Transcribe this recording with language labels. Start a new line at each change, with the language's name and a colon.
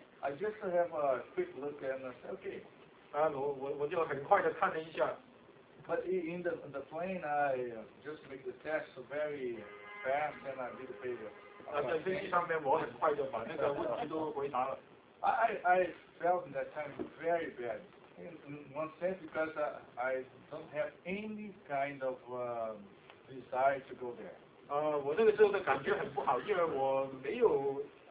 English: I just have a quick look and say, okay.
Chinese: 我就很快的看了一下。
English: But in the plane, I just make the test very fast and I did the paper.
Chinese: 在飞机上面，我很快就把那个问题都回答了。
English: I felt in that time very bad. In one sense, because I don't have any kind of desire to go there.
Chinese: 我那个时候的感觉很不好，因为我没有